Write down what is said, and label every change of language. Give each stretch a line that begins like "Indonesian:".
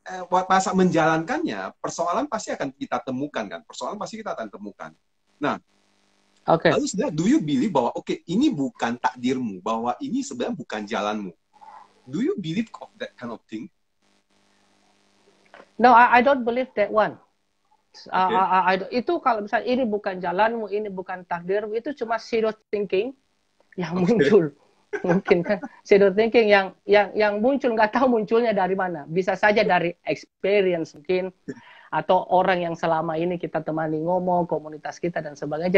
Indonesian: Buat masa menjalankannya, persoalan pasti akan kita temukan kan, persoalan pasti kita akan temukan. Nah, Oke. lalu sebenarnya
English: do you believe
Indonesian: bahwa okay, ini bukan takdirmu, bahwa ini sebenarnya bukan jalanmu?
English: Do you believe of that kind of thing? No, I don't believe that one. Okay. I don't,
Indonesian: itu kalau misalnya ini bukan jalanmu, ini bukan takdirmu, itu cuma shadow thinking yang Okay. muncul. Mungkin kan shadow thinking yang muncul, nggak tahu munculnya dari mana. Bisa saja dari experience mungkin, atau orang yang selama ini kita temani ngomong, komunitas kita dan sebagainya.